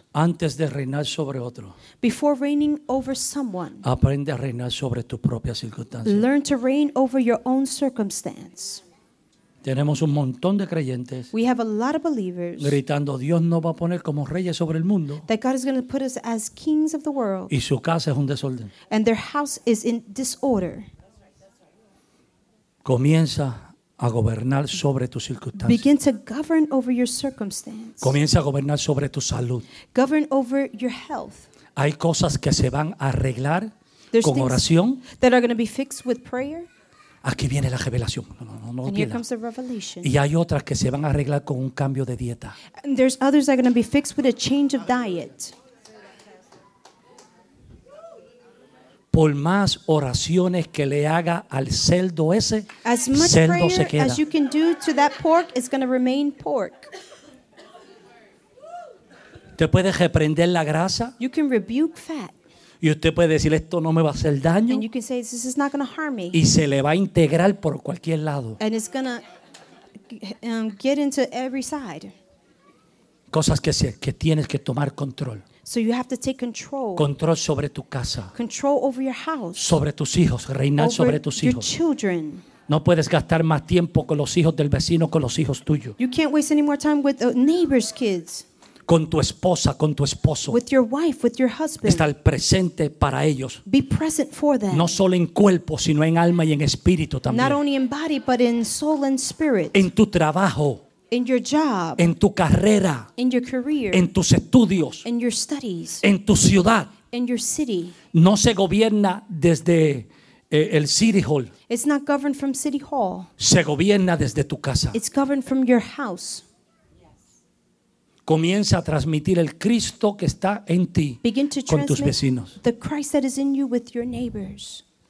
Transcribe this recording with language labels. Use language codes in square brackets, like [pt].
[es] Antes de reinar sobre otro. [en] Before reigning over someone. [es] Aprende a reinar sobre tus propias circunstancias. [en] Learn to reign over your own circumstance. [es] Tenemos un montón de creyentes. [en] We have a lot of believers. [es] Gritando, Dios no va a poner como reyes sobre el mundo. [en] That God is going to put us as kings of the world. [es] Y su casa es un desorden. [en] And their house is in disorder. [es] Comienza a gobernar sobre tus circunstancias. [en] Begin to govern over your circumstance. [es] Comienza a gobernar sobre tu salud. [en] Govern over your health. [es] Hay cosas que se van a arreglar con oración. [en] That are going to be fixed with prayer. [es] Aquí viene la revelación. No, [en] and here comes the revelation. [es] Y hay otras que se van a arreglar con un cambio de dieta. [en] And there's others that are going to be fixed with a change of diet. [es] Por más oraciones que le haga al cerdo ese, [en] as much [es] cerdo [en] prayer [es] se queda. [en] As you can do to that pork, it's going to remain pork. [es] Usted puede reprender la grasa. [en] You can rebuke fat. [es] Y usted puede decir, esto no me va a hacer daño. [en] And you can say, this is not going to harm me. [es] Y se le va a integrar por cualquier lado. [en] And it's going to get into every side. [es] Cosas que tienes que tomar control. [en] So you have to take control. [es] Control sobre tu casa. [en] Control over your house. [es] Sobre tus hijos, reinar sobre tus hijos. [en] Your children. [es] No puedes gastar más tiempo con los hijos del vecino con los hijos tuyos. [en] You can't waste any more time with the neighbor's kids. [es] Con tu esposa, con tu esposo. [en] With your wife, with your husband. [es] Estar presente para ellos. [en] Be present for them. [es] No solo en cuerpo, sino en alma y en espíritu también. [en] Not only in body, but in soul and spirit. [es] En tu trabajo. [en] In your job. [es] En tu carrera. [en] In your career. [es] En tus estudios. [en] In your studies. [es] En tu ciudad. [en] In your city. [es] No se gobierna desde el City Hall. [en] It's not governed from City Hall. [es] Se gobierna desde tu casa. [en] It's governed from your house. [es] Comienza a transmitir el Cristo que está en ti con tus vecinos. [en] The Christ that is in you with your neighbors.